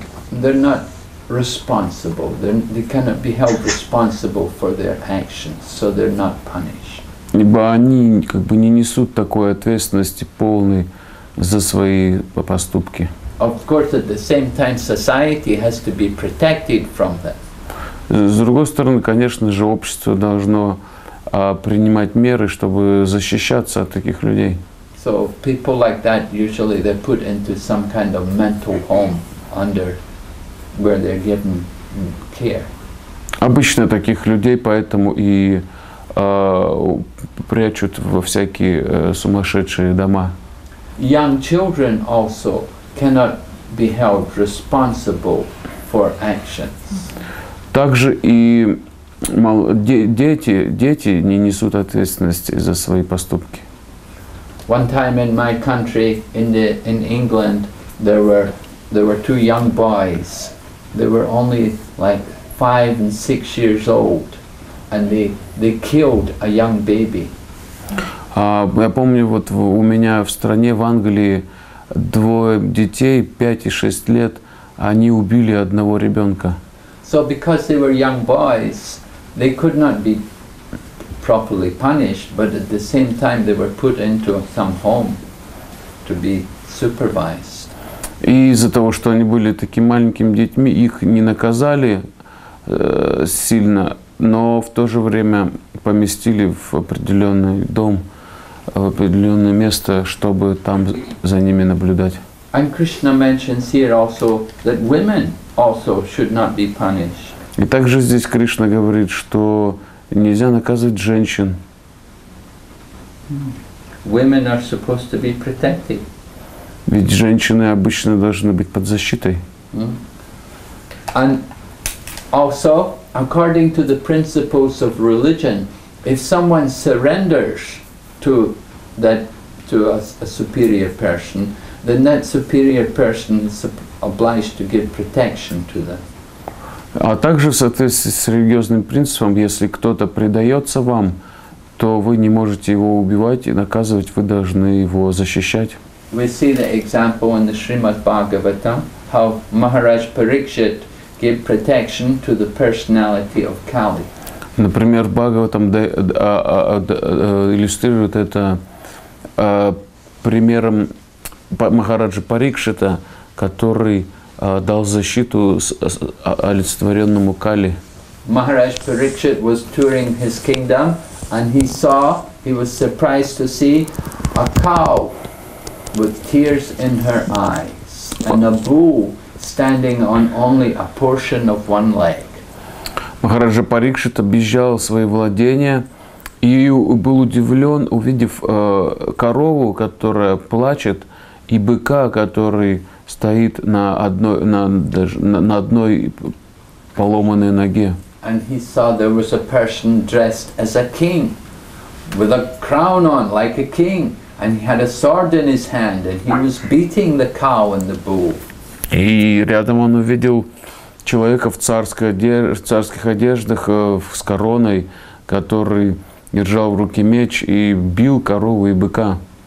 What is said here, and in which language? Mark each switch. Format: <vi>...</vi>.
<en>They're not responsible. They cannot be held responsible for their actions, so they're not punished.</en> <ru>Ибо они как бы не несут такой ответственности полной за свои поступки.</ru> <en>Of course, at the same time, society has to be protected from that.</en> <ru>С другой стороны, конечно же, общество должно принимать меры, чтобы защищаться от таких людей.</ru> <en>So people like that usually they put into some kind of mental home under where they're given care.</en> <ru>Обычно таких людей поэтому и прячут во всякие сумасшедшие дома.</ru> <en>Young children also cannot be held responsible for actions.</en> <ru>Также и дети не несут ответственности за свои поступки.</ru> <en>One time in my country, in England, there were two young boys. They were only like 5 and 6 years old, and they killed a young baby.</en> <ru>Я помню, вот у меня в стране, в Англии, двое детей, 5 и 6 лет, они убили одного ребенка.</ru> <en>So because they were young boys, they could not be properly punished, but at the same time they were put into some home to be supervised.</en> <ru>И из-за того, что они были такими маленькими детьми, их не наказали сильно, но в то же время поместили в определенный дом, в определенное место, чтобы там за ними наблюдать.</ru> <en>And Krishna mentions here also that women also should not be punished.</en> <ru>И также здесь Кришна говорит, что нельзя наказывать женщин.</ru> <en>Women are supposed to be protected.</en> <ru>Ведь женщины обычно должны быть под защитой.</ru> <en>And also, according to the principles of religion, if someone surrenders to a superior person, then that superior person is obliged to give protection to them.</en> <ru>А также в соответствии с религиозным принципом, если кто-то предается вам, то вы не можете его убивать и наказывать, вы должны его защищать.</ru> <en>We see the example in the Srimad Bhagavatam, how Maharaj Parikshit gave protection to the personality of Kali.</en> <ru>Например, Бхагаватам иллюстрирует это примером Махараджа Парикшита, который дал защиту олицетворенному Кали.</ru> <en>Maharaj Parikshit was touring his kingdom and he was surprised to see a cow with tears in her eyes and a bull standing on only a portion of one leg.</en> <ru>Махараджа Парикшит объезжал свои владения и был удивлен, увидев корову, которая плачет, и быка, который стоит на одной поломанной ноге.</ru> <en>And he saw there was a person dressed as a king, with a crown on, like a king, and he had a sword in his hand, and he was beating the cow and the bull.</en> <ru>И рядом он увидел человека в царских одеждах с короной, который держал в руке меч и бил корову и быка.</ru>